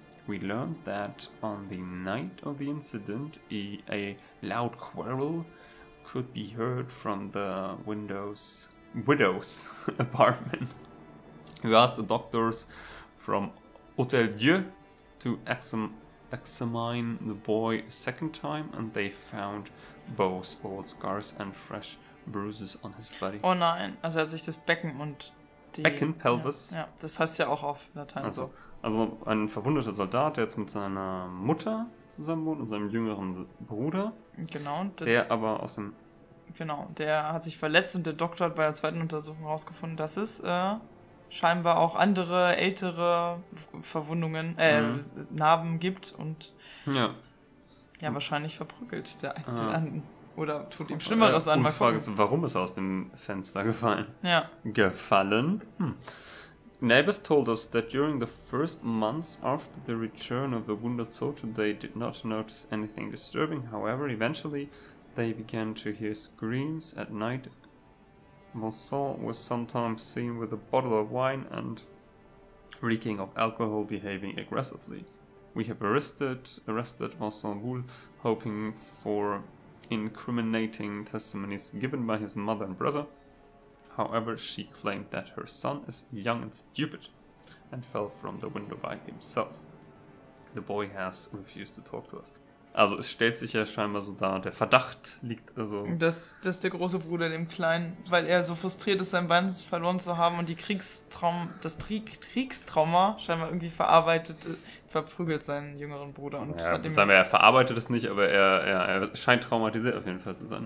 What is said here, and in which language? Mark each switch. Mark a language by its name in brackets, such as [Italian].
[English] We learned that on the night of the incident, a loud quarrel could be heard from the widow's apartment. We asked the doctors from Hotel Dieu to examine the boy a second time, and they found both old scars and fresh bruises on his body. [German] Oh nein, also er hat sich das Becken und die... Becken, Pelvis. Ja, ja, das heißt ja auch auf Latein also. So. Also ein verwundeter Soldat, der jetzt mit seiner Mutter zusammen wohnt und seinem jüngeren Bruder. Genau. Der aber aus dem... Genau, der hat sich verletzt und der Doktor hat bei der zweiten Untersuchung herausgefunden, dass es scheinbar auch andere ältere Verwundungen, Narben gibt und... Ja. Ja, wahrscheinlich verprügelt der einen oder tut ihm Schlimmeres an. Die Frage ist, warum ist er aus dem Fenster gefallen? Ja. Gefallen? [English] Neighbors told us that during the first months after the return of the wounded soldier, they did not notice anything disturbing. However, eventually, they began to hear screams at night. Monson was sometimes seen with a bottle of wine and reeking of alcohol, behaving aggressively. We have arrested Monson Boule, hoping for incriminating testimonies given by his mother and brother. However, she claimed that her son is young and stupid and fell from the window by himself. The boy has refused to talk to us. [German] Also es stellt sich ja scheinbar so dar, der Verdacht liegt also... Dass der große Bruder dem Kleinen, weil er so frustriert ist, sein Bein verloren zu haben und die Kriegstrauma scheinbar irgendwie verarbeitet, verprügelt seinen jüngeren Bruder. Und ja, sagen wir, er verarbeitet es nicht, aber er scheint traumatisiert auf jeden Fall zu sein.